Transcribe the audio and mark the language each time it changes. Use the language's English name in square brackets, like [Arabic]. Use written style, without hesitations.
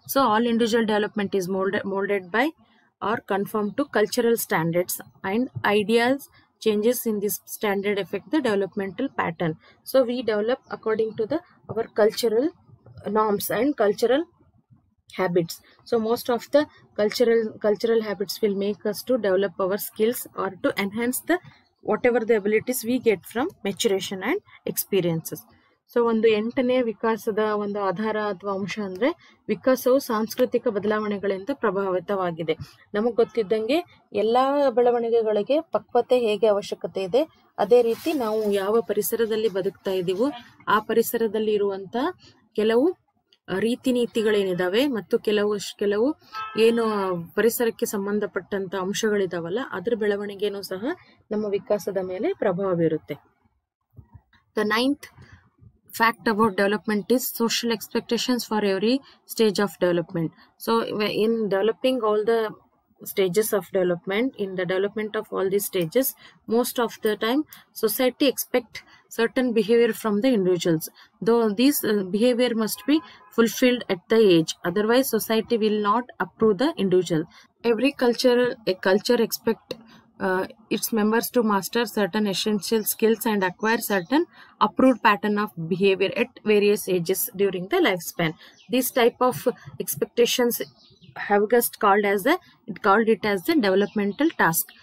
[English] So all individual development is moulded by or conform to cultural standards and ideas changes in this standard effect the developmental pattern. So we develop according to the our cultural norms and cultural habits. So most of the cultural habits will make us to develop our skills or to enhance the whatever the abilities we get from maturation and experiences. [Kannada] So ಒಂದು ಎಂಟನೇ ವಿಕಾಸದ ಒಂದು ಆಧಾರ ಅಥವಾ ಅಂಶ ಅಂದ್ರೆ ವಿಕಾಸವು ಸಾಂಸ್ಕೃತಿಕ ಬದಲಾವಣೆಗಳಿಂದ ಪ್ರಭಾವಿತವಾಗಿದೆ. ನಮಗ್ ಗೊತ್ತಿದ್ದಂಗೆ ಎಲ್ಲಾ ಬೆಳವಣಿಗೆಗಳಿಗೆ ಪಕ್ವತೆ ಹೇಗೆ ಅವಶ್ಯಕತೆ ಇದೆ ಅದೇ ರೀತಿ ನಾವು ಯಾವ ಪರಿಸರದಲ್ಲಿ ಬದುಕ್ತಾ ಇದೀವೋ ಆ ಪರಿಸರದಲ್ಲಿ ಇರುವಂತಹ ಕೆಲವು ರೀತಿ ನೀತಿಗಳೇನಿದ್ದಾವೆ ಮತ್ತು ಕೆಲವು ಏನು ಪರಿಸರಕ್ಕೆ ಸಂಬಂಧಪಟ್ಟಂತ ಅಂಶಗಳಿದಾವಲ್ಲ ಅದ್ರ ಬೆಳವಣಿಗೆನೂ ಸಹ ನಮ್ಮ ವಿಕಾಸದ ಮೇಲೆ ಪ್ರಭಾವ ಬೀರುತ್ತೆ. [English] The ninth fact about development is social expectations for every stage of development. So in developing all the stages of development in the development of all the stages most of the time society expect certain behavior from the individuals, though these behavior must be fulfilled at the age, otherwise society will not approve the individual. Every culture expect its members to master certain essential skills and acquire certain approved pattern of behavior at various ages during the lifespan. These type of expectations Haugast called as a it called it as a developmental task.